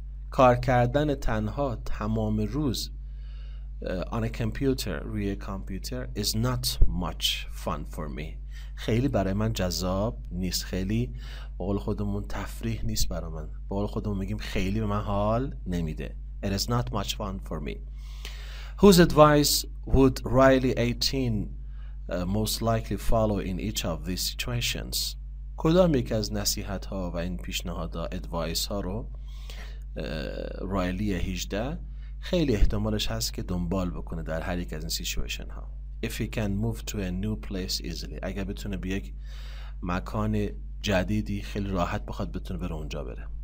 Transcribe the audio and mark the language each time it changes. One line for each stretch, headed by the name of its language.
Persian: کار کردن تنها تمام روز
English: on a computer,
Persian: روی کامپیوتر
English: is not much fun for me.
Persian: خیلی برای من جذاب نیست، خیلی با قول خودمون تفریح نیست برای من. با قول خودمون میگیم خیلی به من حال نمیده.
English: It is not much fun for me. Whose advice would Riley 18 most likely follow in each of these situations?
Persian: کدام یک از نصیحت ها و این پیشنهاد ها ادوایس ها رو رایلی 18 خیلی احتمالش هست که دنبال بکنه در هر یک از این سیچویشن ها.
English: If he can move to a new place easily.
Persian: اگر بتونه به یک مکان جدیدی خیلی راحت بخواد بتونه بره اونجا بره.